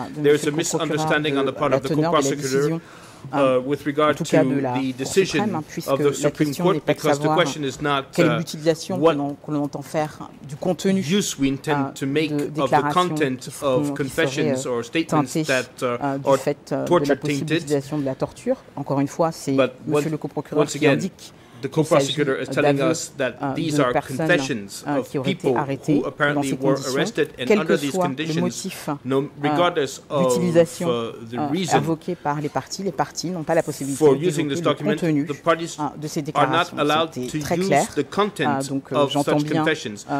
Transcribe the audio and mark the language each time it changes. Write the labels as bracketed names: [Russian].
[English] there's a misunderstanding on the part of the co-prosecutor with regard to the decision of the Supreme Court, because the question is not what use we intend to make of the content of confessions or statements that are torture-tainted. [French] Encore une fois, c'est Monsieur le co-procureur qui indique. [English] The co-prosecutor is telling us that these are confessions of people who apparently were arrested and under these conditions, regardless of the reason for using this document, the parties are not allowed to use the content of such confessions.